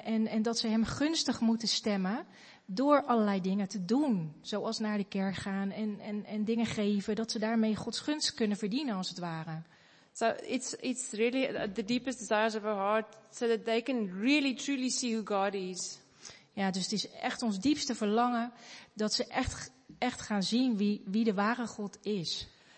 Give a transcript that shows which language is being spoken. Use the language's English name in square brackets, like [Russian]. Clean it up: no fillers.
[Dutch] En dat ze hem gunstig moeten stemmen door allerlei dingen te doen. Zoals naar de kerk gaan en dingen geven. Dat ze daarmee Gods gunst kunnen verdienen als het ware. [English] So it's really the deepest desires of our heart. So that they can really truly see who God is. [Dutch] Ja, dus het is echt ons diepste verlangen. Dat ze echt gaan zien wie de ware God is.